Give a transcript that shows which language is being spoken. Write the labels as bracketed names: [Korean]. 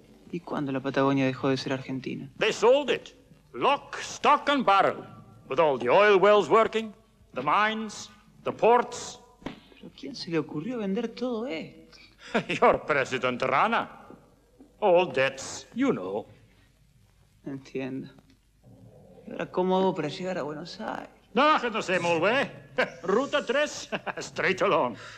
[Spanish] ¿Y cuándo la Patagonia dejó de ser Argentina? [English] They sold it. Lock, stock and barrel. With all the oil wells working, the mines, the ports. [Spanish] ¿Pero quién se le ocurrió vender todo esto? [English] Your president, Rana. All debts, you know. [Spanish] Entiendo. ¿Y ahora cómo hago para llegar a Buenos Aires? No, que no sé, muy bien. Ruta 3, straight along.